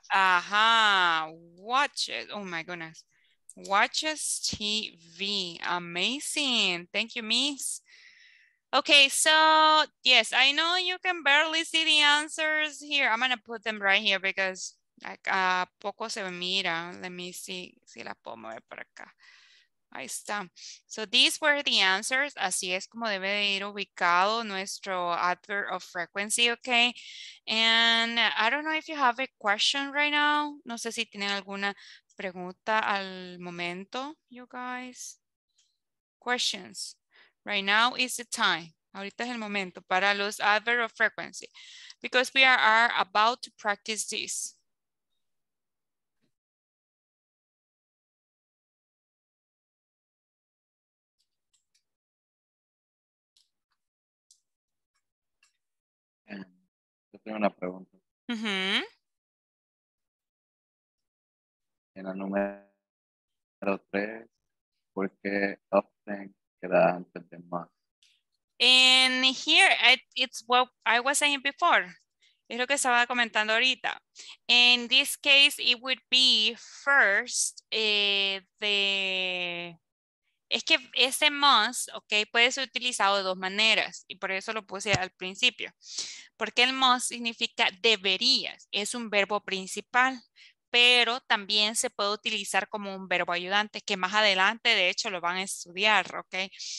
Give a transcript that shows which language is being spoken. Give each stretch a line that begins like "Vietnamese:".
English: Aha. Watches. Oh, my goodness. Watches TV. Amazing. Thank you, Miss. Okay, so yes, I know you can barely see the answers here. I'm gonna put them right here because like
Spanish: poco se mira.
English: Let me see
Spanish: si la puedo mover para acá. Ahí está.
English: So these were the answers.
Spanish: Así es como debe de ir ubicado nuestro adverb of frequency, okay?
English: And I don't know if you have a question right now.
Spanish: No sé si tienen alguna pregunta al momento,
English: you guys. Questions. Right now is the time.
Spanish: Ahorita es el momento para los
English: adverb of frequency. Because we are about to practice this.
Spanish: Yo tengo una pregunta. Uh-huh. En la número 3, ¿por qué often queda antes de más?
English: And here, it's what I was saying before.
Spanish: Es lo que estaba comentando ahorita.
English: In this case, it would be first the...
Spanish: Es que ese must, ok, puede ser utilizado de dos maneras y por eso lo puse al principio. Porque el must significa deberías, es un verbo principal, pero también se puede utilizar como un verbo ayudante que más adelante de hecho lo van a estudiar, ok.